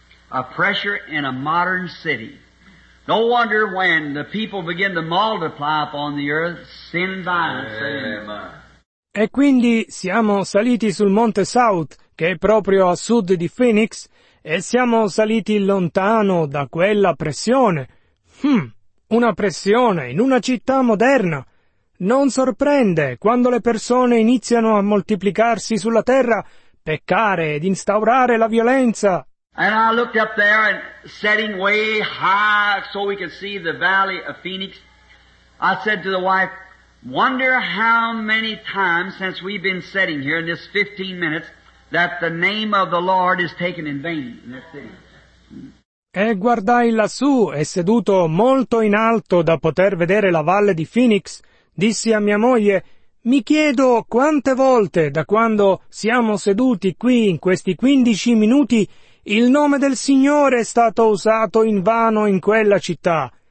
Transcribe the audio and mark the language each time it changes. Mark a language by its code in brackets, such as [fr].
[en] A pressure in a modern city. No wonder when the people begin to multiply upon the earth, sin and violence. [it] E quindi siamo saliti sul Monte South, che è proprio a sud di Phoenix, e siamo saliti lontano da quella pressione. Una pressione in una città moderna. Non sorprende, quando le persone iniziano a moltiplicarsi sulla terra, peccare ed instaurare la violenza. [en] And I looked up there and setting way high so we could see the valley of Phoenix. I said to the wife, Wonder how many times since we've been sitting here in this 15 minutes that the name of the Lord is taken in vain in this city. [it] E guardai lassù, e seduto molto in alto da poter vedere la valle di Phoenix, dissi a mia moglie, mi chiedo quante volte da quando siamo seduti qui in questi 15 minuti il nome del Signore è stato usato in vano in quella città.